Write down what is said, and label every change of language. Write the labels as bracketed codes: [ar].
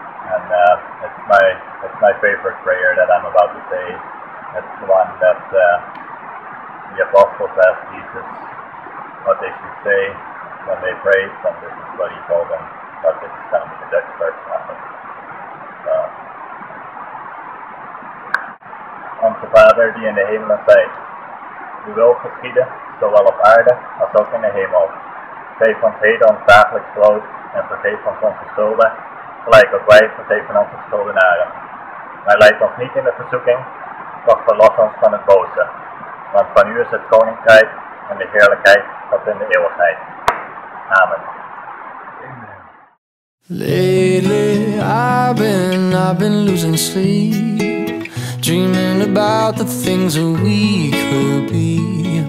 [en] And it's my favorite prayer that I'm about to say. It's the one that the apostles asked Jesus what they should say when they prayed, and this is what he told them. But it's kind of the Dutch version of it. [nl] Onze Vader die in de hemelen zijt, uw wil geschieden, zowel op aarde als ook in de hemel. Geef ons heden ons dagelijks brood en vergeef ons onze schulden, gelijk ook wij vergeven onze schuldenaren. Maar leid ons niet in de verzoeking, doch verlos ons van het boze. Want van u is het koninkrijk en de heerlijkheid tot in de eeuwigheid. Amen. [en] Lately I've been losing sleep, dreaming about the things that we could be.